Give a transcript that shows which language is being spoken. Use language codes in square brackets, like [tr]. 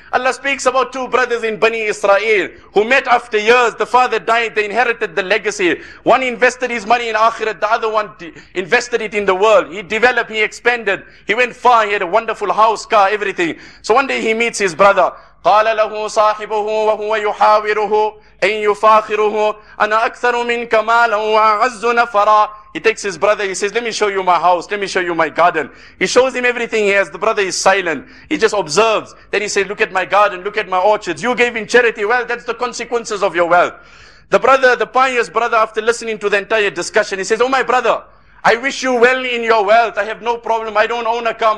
[en] Allah speaks about 2 brothers in Bani Israel who met after years. The father died, they inherited the legacy. One invested his money in akhirat, the other one invested it in the world. He developed, he expanded, he went far, he had a wonderful house, car, everything. So one day he meets his brother. [ar] قَالَ لَهُ صَاحِبُهُ وَهُوَ يُحَاوِرُهُ أَن يُفَاخِرُهُ أَنَا أَكْثَرُ مِنْكَ مَالًا وَأَعَزُّ نَفَرًا. [en] He takes his brother, he says, let me show you my house, let me show you my garden. He shows him everything he has. The brother is silent. He just observes. Then he says, look at my garden, look at my orchards. You gave in charity. Well, that's the consequences of your wealth. The brother, the pious brother, after listening to the entire discussion, he says, oh my brother, I wish you well in your wealth. I have no problem. I don't own a car.